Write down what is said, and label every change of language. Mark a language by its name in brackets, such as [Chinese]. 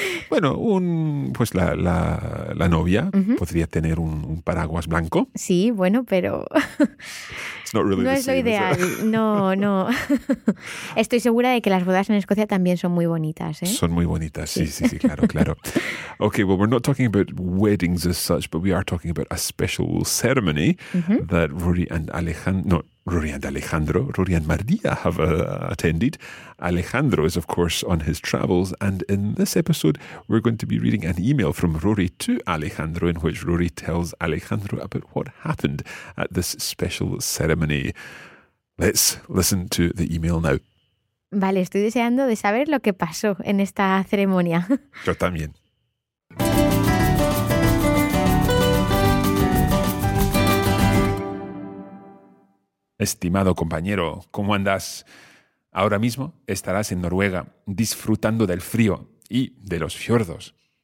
[Spanish] Bueno, la novia podría tener un paraguas blanco. Sí, bueno, pero [English] it's not really [Spanish] no es lo ideal. No. Estoy segura de que las bodas en Escocia también son muy bonitas. ¿Eh? Son muy bonitas, sí, claro. [English] Okay, well, we're not talking about weddings as such, but we are talking about a special ceremony that Rory and Alejandro... Rory and María have attended. Alejandro is, of course, on his travels. And in this episode, we're going to be reading an email from Rory to Alejandro in which Rory tells Alejandro about what happened at this special ceremony. Let's listen to the email now. [Spanish] Vale, estoy deseando de saber lo que pasó en esta ceremonia. Yo también. Estimado compañero, ¿cómo andas? Ahora mismo estarás en Noruega, disfrutando del frío y de los fiordos.